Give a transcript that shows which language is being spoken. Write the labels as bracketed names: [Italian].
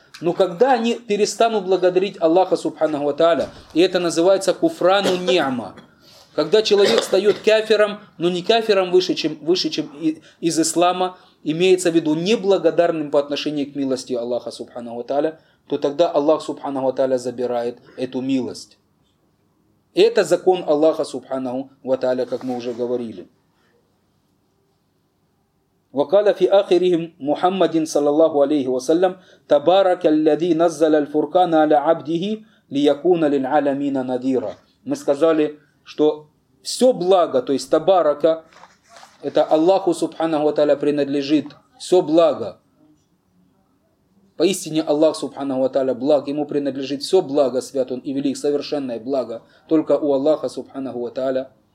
[Russian] Но когда они перестанут благодарить Аллаха, субханаху ва тааля, и это называется куфрану ниама, когда человек встает кафиром, но не кафиром выше, чем из ислама, имеется в виду неблагодарным по отношению к милости Аллаха, субханаху ва тааля, то тогда Аллах, субханаху ва тааля, забирает эту милость. Это закон Аллаха, субханаху ва тааля, как мы уже говорили. [Arabic] وقال في آخرهم محمد صلى الله عليه وسلم تبارك الذي نزل الفرقان على عبده ليكون للعالمين نذيرا. [Russian] Мы сказали, что все благо, то есть табарака, это Аллаху субханаху ва тааля принадлежит все благо. Поистине Аллах субханаху ва тааля благ, ему принадлежит все благо, свят он и велик, совершенное благо, только у Аллаха субханаху ва тааля.